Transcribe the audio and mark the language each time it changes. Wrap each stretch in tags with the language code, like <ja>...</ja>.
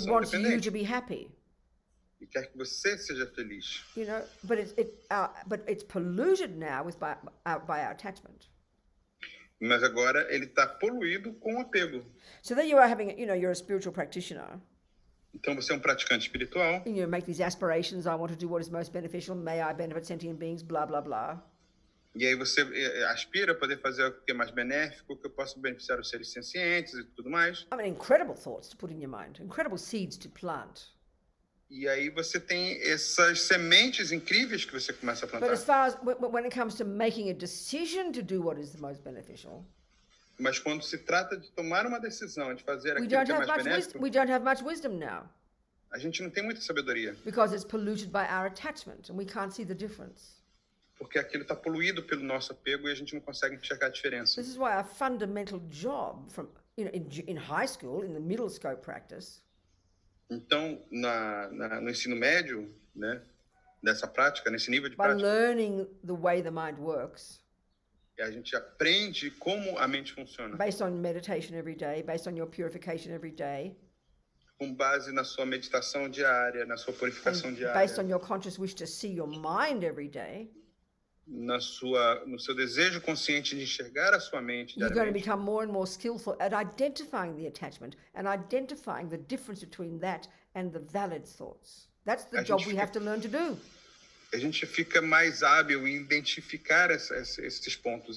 <pt>dependente.</pt> <en>It wants you to be happy.</en> <pt>E quer que você seja feliz.</pt> <en>You know, but it's polluted now by our attachment.</en> <pt>Mas agora ele está poluído com o apego.</pt> <en>So there you are having, you know, you're a spiritual practitioner.</en> <pt>Então você é um praticante espiritual.</pt> <en>And you make these aspirations, I want to do what is most beneficial, may I benefit sentient beings, blah, blah, blah.</en> <pt>E aí você aspira a poder fazer o que é mais benéfico, que eu possa beneficiar os seres sencientes e tudo mais.</pt> <en>I mean, incredible thoughts to put in your mind, incredible seeds to plant.</en> <pt>E aí você tem essas sementes incríveis que você começa a plantar.</pt> <en>But as far as, when it comes to making a decision to do what is the most beneficial,</en> <pt>mas quando se trata de tomar uma decisão, de fazer aquilo que é mais benéfico,</pt> <en>we don't have much wisdom now.</en> <pt>A gente não tem muita sabedoria.</pt> <en>Because it's polluted by our attachment, and we can't see the difference.</en> <pt>Porque aquilo está poluído pelo nosso apego e a gente não consegue enxergar a diferença.</pt> <en>This is why our fundamental job, from, you know, in high school, in the middle school practice.</en> <pt>Então, no ensino médio, né, nessa prática, nesse nível de</pt> <en>by</en> <pt>prática.</pt> <en>By learning the way the mind works.</en> <pt>A gente aprende como a mente funciona.</pt> <en>Based on meditation every day, based on your purification every day.</en> <pt>Com base na sua meditação diária, na sua purificação</pt> <en>and</en> <pt>diária.</pt> <en>Based on your conscious wish to see your mind every day.</en> <pt>No seu desejo consciente de enxergar a sua mente.</pt> <en>You're going to become more and more skillful at identifying the attachment and identifying the difference between that and the valid thoughts. That's the job we have to learn to do.</en> <pt>A gente fica mais hábil em identificar esses pontos.</pt>